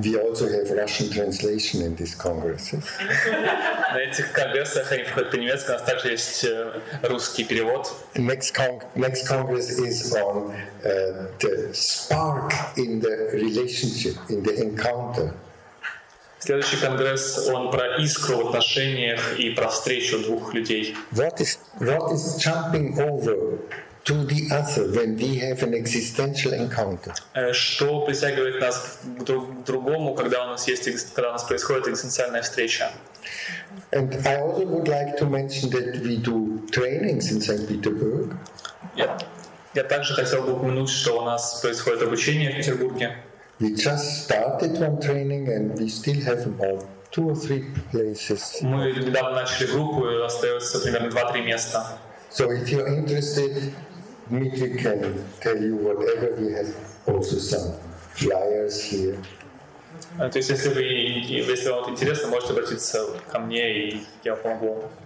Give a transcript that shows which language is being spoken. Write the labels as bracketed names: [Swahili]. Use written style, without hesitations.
[English] We also have Russian translation in these congresses. [Russian] На этих конгрессах они входят по-немецки, у нас также есть русский перевод. [English] Next congress is on the spark in the relationship, in the encounter. [Russian] Следующий конгресс, он про искру в отношениях и про встречу двух людей. [English] What is jumping over to the other when we have an existential encounter? [Russian] Что притягивает нас к другому, когда у нас происходит экзистенциальная встреча? [English] And I also would like to mention that we do trainings in St. Petersburg. [Russian] Я также хотел бы упомянуть, что у нас происходит обучение в Петербурге. [English] We just started one training and we still have about 2 or 3 places. [Russian] Мы недавно начали группу, и остается примерно 2-3 места. [English] So if you're interested, Dmitry can tell you whatever. We have also some flyers here. [Russian] То есть, если вам это интересно, можете обратиться ко мне, и я помогу.